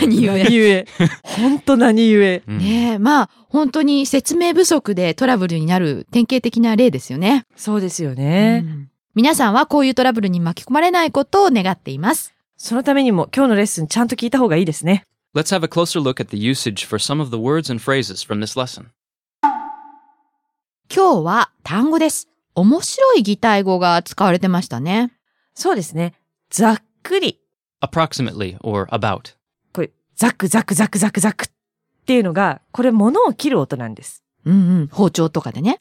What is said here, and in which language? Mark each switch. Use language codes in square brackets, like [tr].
[ja] 何故本当何故、うん、ねえ、まあ本当に説明不足でトラブルになる典型的な例ですよね。そうですよね、うん、皆さんはこういうトラブルに巻き込まれないことを願っています。そのためにも今日のレッスンちゃんと聞いた方がいいですね。 [en] Let's have a closer look at the usage for some of the words and phrases from this lesson. [ja] 今日は単語です。面白い擬態語が使われてましたね。そうですね。ざっくり。 [en] Approximately or about. [ja] これ、ザクザクザクザクザクっていうのが、これ物を切る音なんです。包丁とかでね。